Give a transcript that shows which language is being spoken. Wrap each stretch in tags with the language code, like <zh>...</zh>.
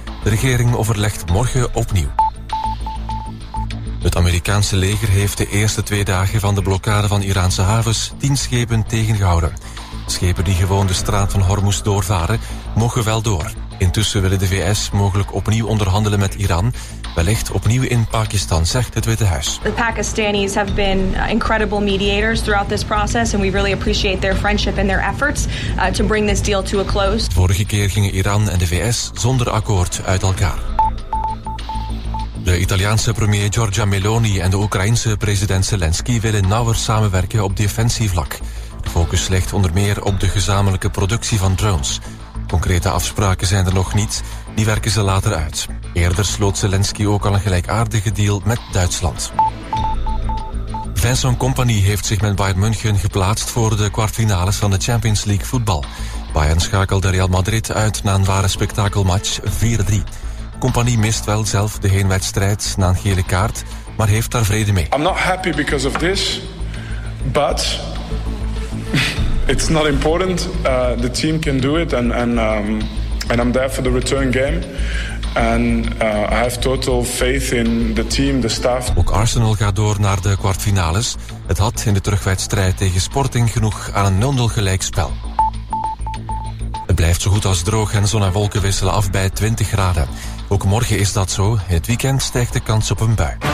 <nl>De regering overlegt morgen opnieuw. Het Amerikaanse leger heeft de eerste 2 dagen van de blokkade van Iraanse havens 10 schepen tegengehouden. Schepen die gewoon de straat van Hormuz doorvaren, mogen wel door. Intussen willen de VS mogelijk opnieuw onderhandelen met Iran. Wellicht opnieuw in Pakistan, zegt het Witte Huis.</nl> <en>The Pakistanis have been incredible mediators throughout this process and we really appreciate their friendship and their efforts to bring this deal to a close.</en> <nl>Vorige keer gingen Iran en de VS zonder akkoord uit elkaar. De Italiaanse premier Giorgia Meloni en de Oekraïnse president Zelensky willen nauwer samenwerken op defensievlak. De focus ligt onder meer op de gezamenlijke productie van drones. Concrete afspraken zijn er nog niet, die werken ze later uit. Eerder sloot Zelensky ook al een gelijkaardige deal met Duitsland. Vincent Kompany heeft zich met Bayern München geplaatst voor de kwartfinales van de Champions League voetbal. Bayern schakelde Real Madrid uit na een ware spektakelmatch 4-3. Kompany mist wel zelf de heenwedstrijd na een gele kaart, maar heeft daar vrede mee.</nl> <en>I'm not happy because of this, but it's not important. The team can do it and I'm there for the return game. And I have total faith in the team, the staff.</en> <nl>Ook Arsenal gaat door naar de kwartfinales. Het had in de terugwedstrijd tegen Sporting genoeg aan een 0-0 gelijkspel. Het blijft zo goed als droog en zon en wolken wisselen af bij 20 graden. Ook morgen is dat zo. In het weekend stijgt de kans op een bui.</nl>